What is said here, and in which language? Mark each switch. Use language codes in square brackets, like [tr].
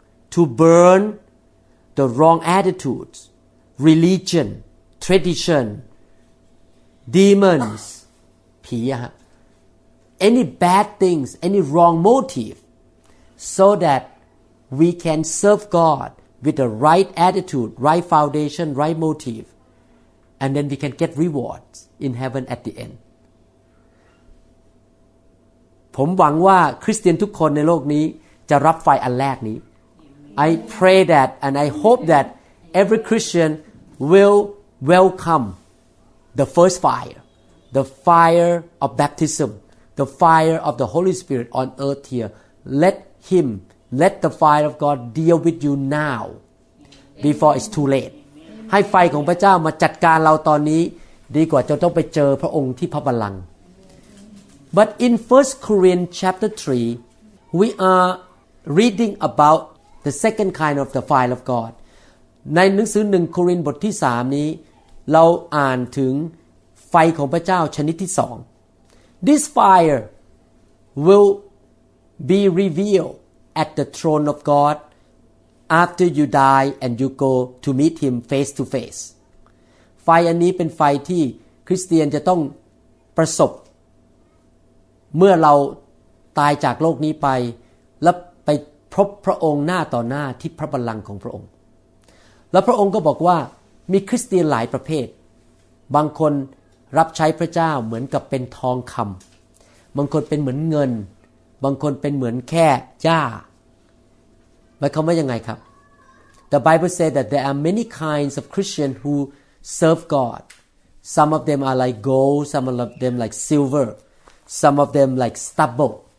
[en] to burn the wrong attitudes, religion, tradition, demons, any bad things, any wrong motive, so that we can serve God. With the right attitude, right foundation, right motive, and then we can get rewards in heaven at the end. [th] ผมหวังว่าคริสเตียนทุกคนในโลกนี้จะรับไฟอันแรกนี้ [en] I pray that and I hope that every Christian will welcome the first fire, the fire of baptism, the fire of the Holy Spirit on earth here. Let Him, let the fire of God deal with you now. Before it's too late [th] ให้ไฟของพระเจ้ามาจัดการเราตอนนี้ดีกว่าจะต้องไปเจอพระองค์ที่พระบัลลังก์ [en] But in 1 Corinthians chapter 3, we are reading about the second kind of the file of God. [th] ในหนังสือ1โครินธ์บทที่3นี้เราอ่านถึงไฟของพระเจ้าชนิดที่2. [en] This fire will be revealed at the throne of God after you die and you go to meet him face to face. [th] ไฟอันนี้เป็นไฟที่คริสเตียนจะต้องประสบเมื่อเราตายจากโลกนี้ไปและไปพบพระองค์หน้าต่อหน้าที่พระบัลลังก์ของพระองค์ และพระองค์ก็บอกว่ามีคริสเตียนหลายประเภทบางคนรับใช้พระเจ้าเหมือนกับเป็นทองคำบางคนเป็นเหมือนเงินบางคนเป็นเหมือนแค่หญ้าหมายความว่ายังไงครับ [en] The Bible says that there are many kinds of Christian who serve God some of them are like gold some of them like silverSome of them like stubble.